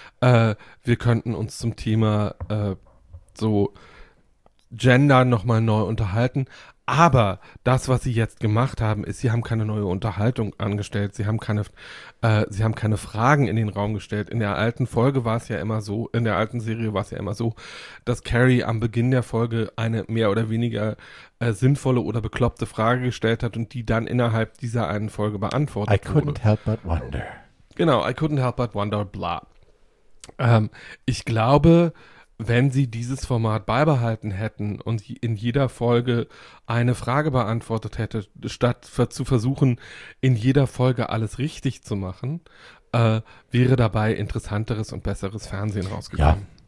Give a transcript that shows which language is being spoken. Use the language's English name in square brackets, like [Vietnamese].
[German] Wir könnten uns zum Thema Gender nochmal neu unterhalten, aber das, was sie jetzt gemacht haben, ist, sie haben keine neue Unterhaltung angestellt, sie haben keine Fragen in den Raum gestellt. In der alten Folge war es ja immer so, in der alten Serie war es ja immer so, dass Carrie am Beginn der Folge eine mehr oder weniger sinnvolle oder bekloppte Frage gestellt hat und die dann innerhalb dieser einen Folge beantwortet wurde. [English] I couldn't help but wonder. Genau, I couldn't help but wonder, bla. [German] Ich glaube, wenn sie dieses Format beibehalten hätten und in jeder Folge eine Frage beantwortet hätte, statt zu versuchen, in jeder Folge alles richtig zu machen, wäre dabei interessanteres und besseres Fernsehen rausgekommen.